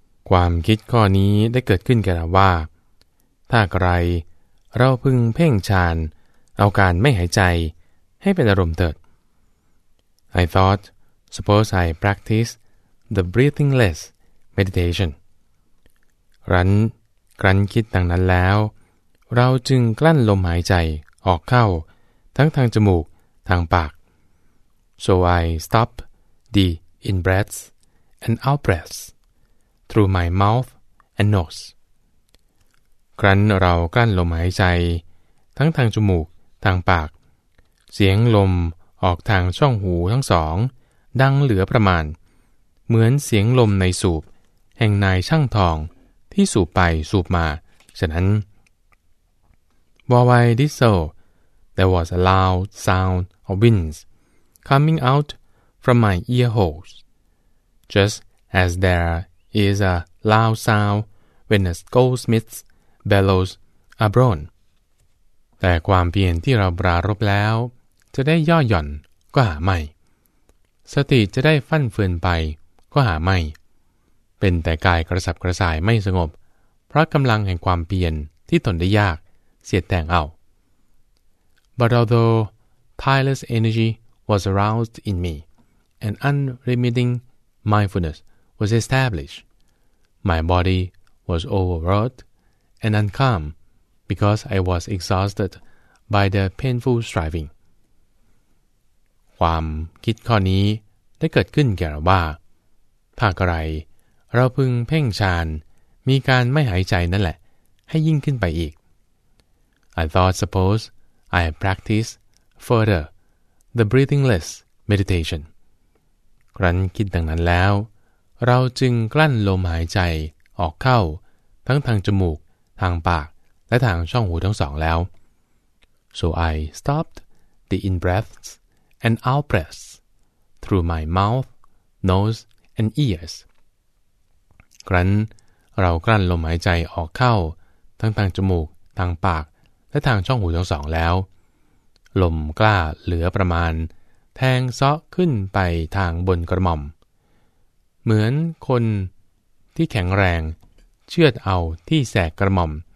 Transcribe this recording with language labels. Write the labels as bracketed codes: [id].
[th] ความคิดข้อนี้ได้เกิดขึ้นแก่เราว่าถ้าใครเราพึงเพ่งฌานเอาการไม่หายใจให้เป็นอารมณ์เถิด [en] I thought, suppose I practice the breathingless meditation. [th] รันคิดดังนั้นแล้วเราจึงกลั้นลมหายใจออกเข้าทั้งทางจมูกทางปาก [en] So I stop the in-breaths and out-breaths through my mouth and nose. [th] ครั้นเรากลั้นลมหายใจทั้งทางจมูกทางปากเสียงลมออกทางช่องหูทั้งสองดังเหลือประมาณเหมือนเสียงลมในสูบแห่งนายช่างทองที่สูบไปสูบมาฉะนั้น [en] While I did so, there was a loud sound of winds coming out from my ear holes, just as there is a loud sound when a goldsmith's bellows are blown. [th] แต่ความเพียรที่เราปรารภแล้วจะได้ย่อหย่อนก็หาไม่สติจะได้ฟั่นเฟือนไปก็หาไม่เป็นแต่กายกระสับกระส่ายไม่สงบเพราะกำลังแห่งความเพียรที่ทนได้ยากเสียดแทงเอา [en] But although tireless energy was aroused in me and unremitting mindfulness was established, my body was overwrought and uncalm because I was exhausted by the painful striving. [th] ความคิดข้อนี้ได้เกิดขึ้นแก่เราว่าถ้าใครเราพึงเพ่งฌานมีการไม่หายใจนั่นแหละให้ยิ่งขึ้นไปอีก [en] I thought suppose I practice further the breathingless meditation. [th] ครั้นคิดดังนั้นแล้วเราจึงกลั้นลมหายใจออกเข้าทั้งทางจมูกทางปากและทางช่องหูทั้งสองแล้ว [en] So I stopped the in-breaths and out-breaths through my mouth, nose, and ears. [th] ครั้นเรากลั้นลมหายใจออกเข้าทั้งทางจมูกทางปากและทางช่องหูทั้งสองแล้วลมกล้าเหลือประมาณแทงเซาะขึ้นไปทางบนกระหม่อมเหมือนคนที่แข็งแรงเชือดเอาที่แสกกระหม่อม